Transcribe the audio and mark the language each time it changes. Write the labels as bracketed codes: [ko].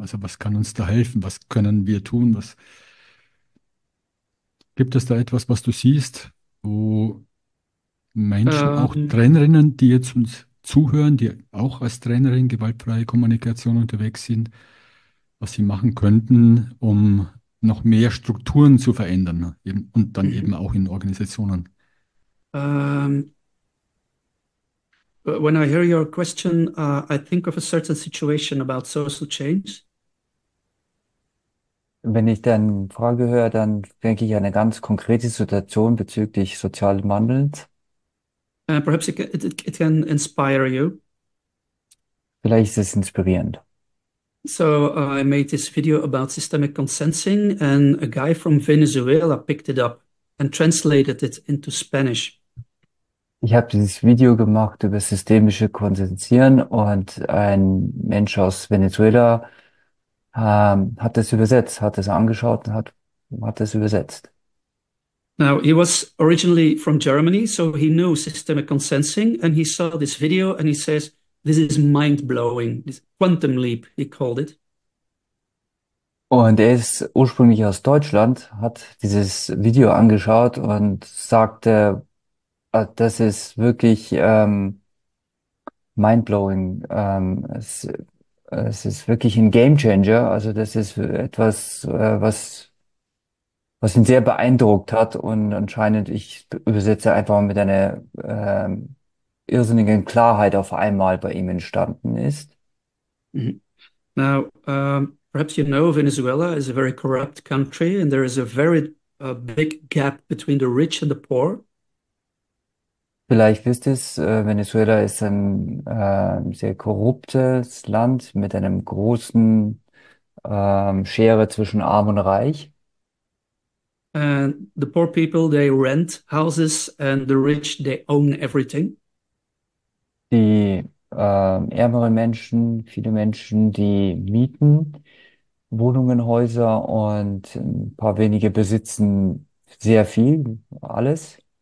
[de] Also was kann uns da helfen? Was können wir tun? Was gibt es da etwas, was du siehst, wo Menschen, auch Trainerinnen, die jetzt uns zuhören, die auch als Trainerin gewaltfreie Kommunikation unterwegs sind, was sie machen könnten, um noch mehr Strukturen zu verändern, eben, und dann eben auch in Organisationen? [en] When I hear your question, I think of a certain situation about social change. [de] Wenn ich deine Frage höre, dann denke ich an eine ganz konkrete Situation bezüglich sozialen Wandels. [en] Perhaps it can inspire you. [de] Vielleicht ist es inspirierend. [en] So I made this video about systemic consensing, and a guy from Venezuela picked it up and translated it into Spanish. [de] Ich habe dieses Video gemacht über systemische Konsensieren und ein Mensch aus Venezuela hat es übersetzt, hat es angeschaut und hat es übersetzt. [en] Now, he was originally from Germany, so he knew systemic consensing, and he saw this video and he says, "This is mind-blowing, this quantum leap," he called it. [de] Und er ist ursprünglich aus Deutschland, hat dieses Video angeschaut und sagte, das ist wirklich mindblowing. Es ist wirklich ein Game Changer. Also das ist etwas, was ihn sehr beeindruckt hat. Und anscheinend, ich übersetze einfach mit einer irrsinnigen Klarheit auf einmal bei ihm entstanden ist. [en] Now, perhaps you know Venezuela is a very corrupt country, and there is a very big gap between the rich and the poor. [de] Vielleicht wisst ihr es, Venezuela ist ein sehr korruptes Land mit einem großen Schere zwischen Arm und Reich. [en] And the poor people, they rent houses, and the rich, they own everything. [de] Die ärmeren Menschen, viele Menschen, die mieten Wohnungen, Häuser und ein paar wenige besitzen sehr viel, alles.